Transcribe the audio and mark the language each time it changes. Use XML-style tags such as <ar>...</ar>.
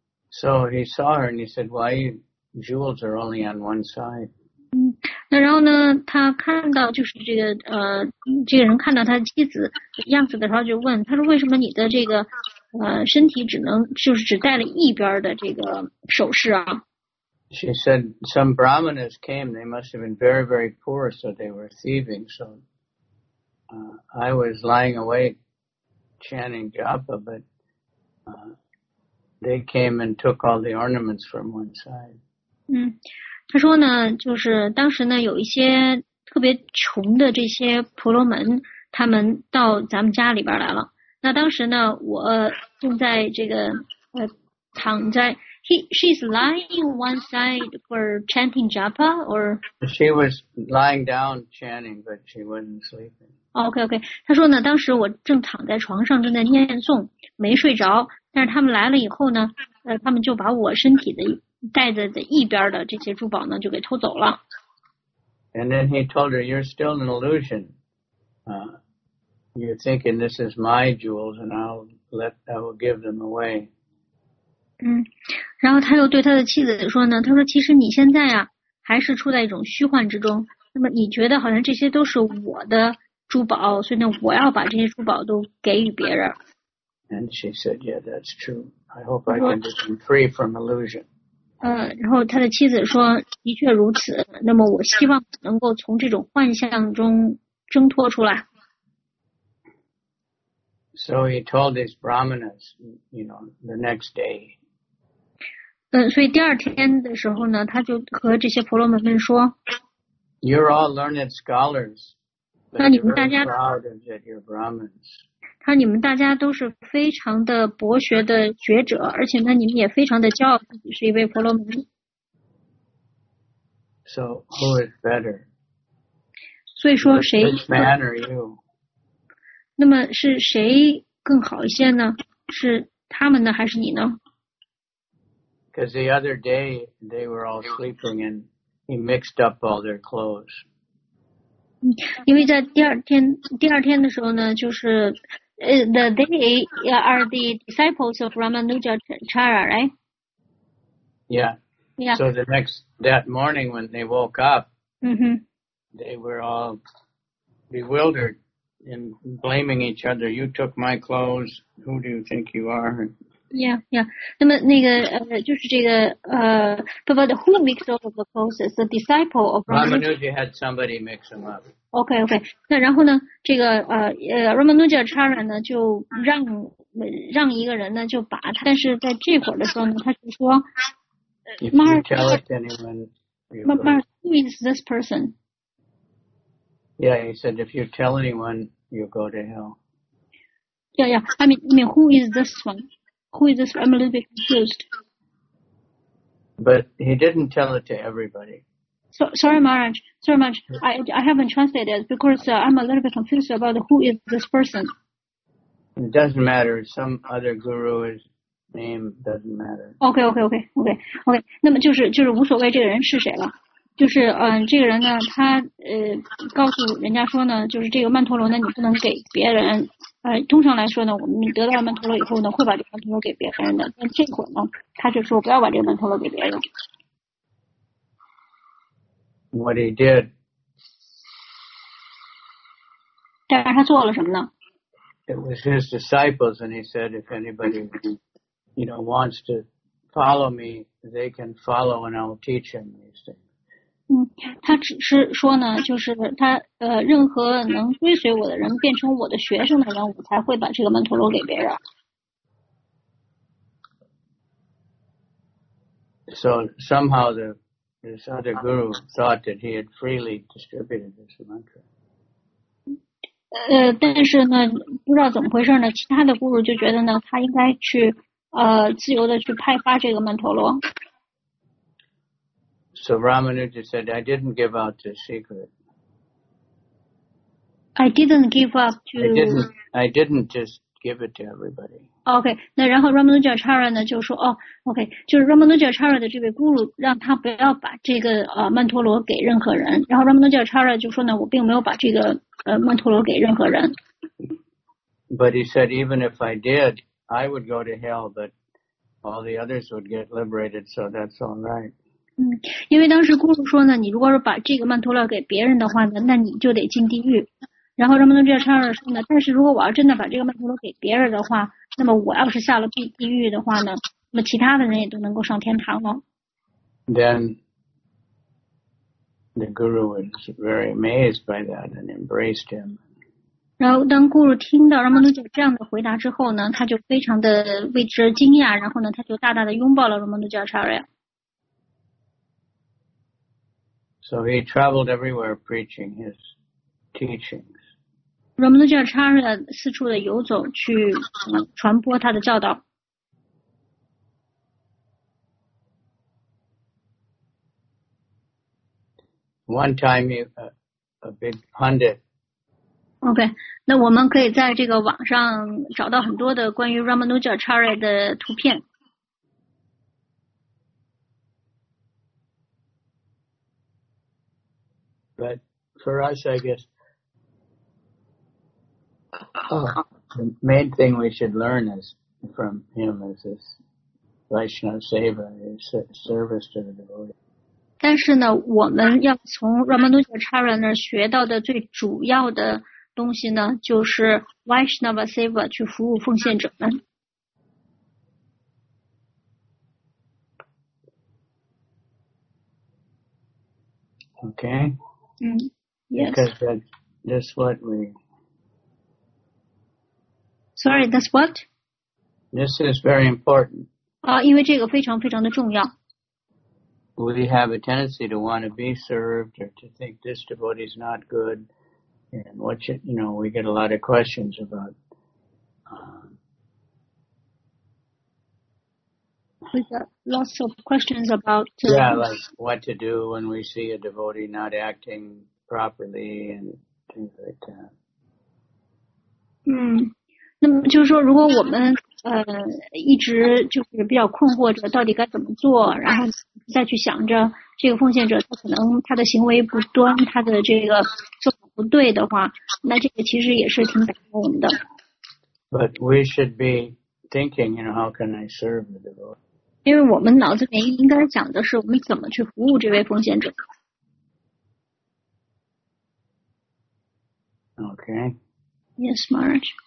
<en>So he saw her and he said, "Why jewels are only on one side?"</en> <zh>那然后呢，他看到就是这个这个人看到他妻子样子的时候就问，他说为什么你的这个身体只能就是只戴了一边的这个首饰啊。</zh> <en>She said some brahmanas came, they must have been very, very poor, so they were thieving. So, I was lying awake chanting japa, but, they came and took all the ornaments from one side.</en> <zh>他说呢，就是当时呢有一些特别穷的这些婆罗门，他们到咱们家里边来了。那当时呢，我正在这个躺在</zh> <en>she's lying one side for chanting japa or she was lying down chanting but she wasn't sleeping. Okay.</en> <zh>他说呢，当时我正躺在床上正在念诵，没睡着。但是他们来了以后呢，他们就把我身体的带着的一边的这些珠宝呢就给偷走了。</zh> <en>And then he told her, "You're still an illusion." You're thinking this is my jewels, and I will give them away.</en> <zh>然后他又对他的妻子说呢，他说其实你现在啊还是处在一种虚幻之中。那么你觉得好像这些都是我的珠宝，所以呢，我要把这些珠宝都给予别人。</zh> <en>And she said, "Yeah, that's true. I hope I can get them free from illusion."</en> <zh>然后他的妻子说，的确如此。那么我希望能够从这种幻象中挣脱出来。</zh> <en>So he told his brahmanas, you know, the next day.</en> <zh>所以第二天的时候呢，他就和这些婆罗门们说。</zh> <en>You're all learned scholars.</en> <zh>那你们大家。</zh> <en>Proud of that you're brahmins.</en> <zh>他你们大家都是非常的博学的学者，而且呢，你们也非常的骄傲自己是一位婆罗门。</zh> <en>So who is better?</en> <zh>所以说谁</zh> <en>？Which man are you?</en> <zh>那么是谁更好一些呢？是他们呢，还是你呢</zh> <en>？Because the other day they were all sleeping and he mixed up all their clothes.</en> <zh>因为在第二天的时候呢，就是。</zh> <en>They are the disciples of Ramanujacharya, right? Yeah. So that morning when they woke up,、they were all bewildered and blaming each other. You took my clothes. Who do you think you are? Yeah.</en> <zh>那么那个就是这个</zh> <en>but who mixed all of the clothes? It's the disciple of Ramanuja had somebody mix them up. Okay.</en> <zh>那然后呢，这个Ramanujacharya 呢，就让一个人呢，就把他。但是在这会儿的时候呢，他就说</zh> <en>，Mark, who is this person? Yeah, he said, if you tell anyone, you go to hell. Yeah. I mean, who is this one? Who is this? I'm a little bit confused. But he didn't tell it to everybody. Sorry, Maharaj. I haven't translated because I'm a little bit confused about who is this person. It doesn't matter. Some other guru's name doesn't matter. Okay.</en> <zh>那么就是无所谓这个人是谁了。就是这个人呢，他告诉人家说呢，就是这个曼陀罗呢，你不能给别人。通常来说呢，我们得到了曼陀罗以后呢，会把这个曼陀罗给别人的。但这会儿呢，他就说不要把这个曼陀罗给别人。</zh> <en>What he did.</en> <zh>但是他做了什么呢</zh> <en>？It was his disciples, and he said, "If anybody, you know, wants to follow me, they can follow, and I'll teach them these things."</en> <zh>他只是说呢，就是他任何能追随我的人变成我的学生的人，我才会把这个曼陀罗给别人。</zh> <en>So somehow this other guru thought that he had freely distributed this mantra.</en> <zh>但是呢，不知道怎么回事呢，其他的 guru 就觉得呢，他应该去自由的去派发这个曼陀罗。</zh> <en>So Ramanuja said, "I didn't give out the secret. I didn't give up to. I didn't just. Give it to everybody.</en> <zh>Okay, 那然后 Ramanujacharya 呢就说okay, 就是 Ramanujacharya 的这位 guru 让他不要把这个曼陀罗给任何人。然后 Ramanujacharya 就说呢，我并没有把这个曼陀罗给任何人。</zh> <en>But he said, even if I did, I would go to hell, but all the others would get liberated, so that's all right.</en> <zh>因为当时 guru 说呢，你如果是把这个曼陀罗给别人的话呢，那你就得进地狱。然后人们都这样唱着说呢，但是如果我要真的把这个曼陀罗给别人的话，那么我要是下了地狱的话呢，那么其他的人也都能够上天堂了。</zh> <en>Then the guru was very amazed by that and embraced him.</en> <zh>然后当 guru 听到人们都这样的回答之后呢，他就非常的为之惊讶，然后呢，他就大大的拥抱了人们都这样唱着。</zh> <en>So he traveled everywhere preaching his. Teachings.</en> <zh>Ramanujacharya 四处的游走去传播他的教导。</zh> <en>One time, a big pundit.</en> <zh>Okay, 那我们可以在这个网上找到很多的关于 Ramanujacharya 的图片。</zh> <en>But for us, I guess. The main thing we should learn is from him is this Vaishnava Seva, his service to the devotee.</en> <zh>但是呢，我们要从 Ramanujacharya 那儿学到的最主要的东西呢，就是 Vaishnava Seva 去服务奉献者们。</zh> <en>Okay. Yes. Because that's what we. Sorry, that's what. This is very important.</en> <zh>因为这个非常非常的重要。</zh> <en>We have a tendency to want to be served or to think this devotee is not good, and what should, you know, we get a lot of questions about. 、 what to do when we see a devotee not acting properly and things like that.</en> <zh>那么就是说，如果我们一直就是比较困惑着到底该怎么做，然后再去想着这个奉献者他可能他的行为不端，他的这个做法不对的话，那这个其实也是挺打动我们的。</zh> <en>But we should be thinking, you know, how can I serve the devotee?</en> <zh>因为我们脑子里面应该想的是我们怎么去服务这位奉献者。</zh> <en>Okay. Yes, Maharaj.</en>